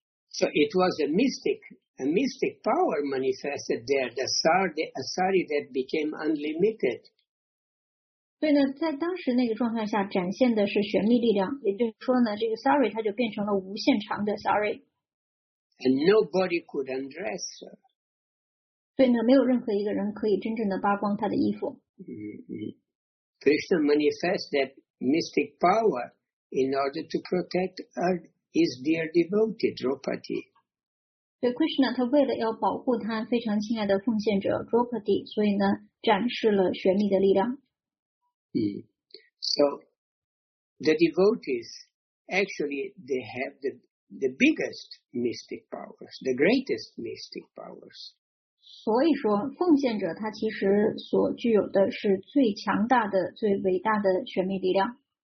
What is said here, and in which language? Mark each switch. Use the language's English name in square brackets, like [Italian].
[English] So it was a mystic power manifested there, the sari that became unlimited. [Chinese] 所以呢，在当时那个状态下展现的是玄秘力量，也就是说呢，这个 sari 它就变成了无限长的 sari. [English] And nobody could undress her. [Chinese] 所以呢，没有任何一个人可以真正的扒光她的衣服。 Mm-hmm. [English] Krishna manifests that mystic power in order to protect her. His dear devotee, Draupadi. [Chinese] 对 Krishna, 他为了要保护他非常亲爱的奉献者 Draupadi, 所以呢展示了玄秘的力量。 [English] So, the devotees, actually, they have the biggest mystic powers, the greatest mystic powers. [Chinese] 所以说奉献者他其实所具有的是最强大的最伟大的玄秘力量。